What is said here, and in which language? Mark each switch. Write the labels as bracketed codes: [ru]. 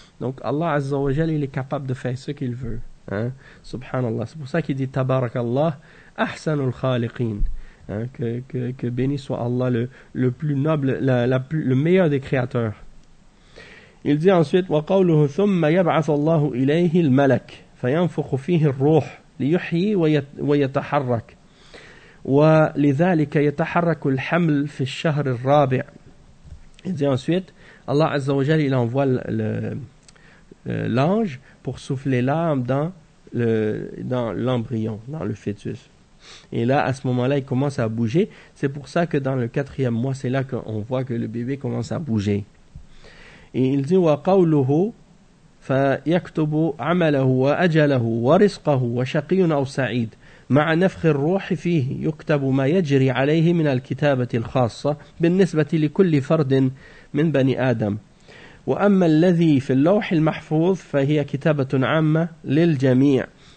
[fr] Donc, Allah Azza wa Jal, il est capable de faire ce qu'il veut. Hein? Subhanallah. C'est pour ça qu'il dit [ar] Tabarakallah, Ahsanul Khaliqin. [fr] hein, que béni soit Allah, le plus noble, le meilleur des créateurs. [ar] Il dit ensuite, وَقَوْلُهُ ثُمَّ يَبْعَثُ اللَّهُ إِلَيْهِ الْمَلَكِ فَيَنْفُخُ فِيهِ الرُّوحِ لِيُحْيِي وَيَتَحَرَّكِ وَلِذَلِكَ يَتَحَرَّكُ الْحَمْلِ فِي الشَّهْرِ الرَّابِعِ. [fr] Il dit ensuite, Allah Azza wa Jal, il envoie l'ange pour souffler l'âme dans l'embryon, dans le fœtus. Et là, à ce moment-là, il commence à bouger. C'est pour ça que dans le quatrième mois, c'est là qu'on voit que le bébé commence à bouger. Et il dit, [ar] وَقَوْلُهُ فَيَكْتُبُ عَمَلَهُ وَأَجَلَهُ وَرِزْقَهُ وَشَقِيٌ أَوْ سَعِيدٌ مع نفخ الروح فيه يكتب ما يجري عليه من الكتابة الخاصة بالنسبة لكل فرد من بني آدم وأما الذي في اللوح المحفوظ فهي كتابة عامة للجميع